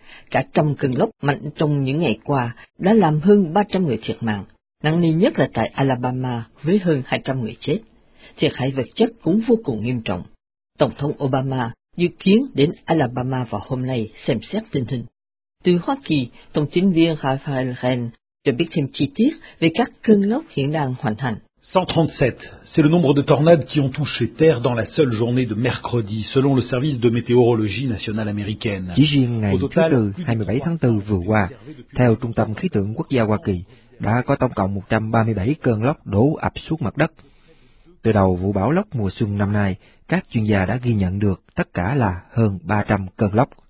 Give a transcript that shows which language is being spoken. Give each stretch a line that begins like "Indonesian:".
Vietnamese: Cả trăm cơn lốc mạnh trong những ngày qua đã làm hơn 300 người thiệt mạng, nặng nề nhất là tại Alabama với hơn 200 người chết. Thiệt hại vật chất cũng vô cùng nghiêm trọng. Tổng thống Obama dự kiến đến Alabama vào hôm nay xem xét tình hình. Từ Hoa Kỳ, thông tin viên Rafael Ren cho biết thêm chi tiết về các cơn lốc hiện đang hoành hành.
French: 137, c'est le nombre de tornades qui ont touché terre dans la seule journée de mercredi, selon le service de météorologie nationale américaine.
Vietnamese: Chỉ riêng ngày thứ tư, 27 tháng 4 vừa qua, theo Trung tâm Khí tượng Quốc gia Hoa Kỳ, đã có tổng cộng 137 cơn lốc đổ ập xuống mặt đất. Từ đầu vụ bão lốc mùa xuân năm nay, các chuyên gia đã ghi nhận được tất cả là hơn 300 cơn lốc.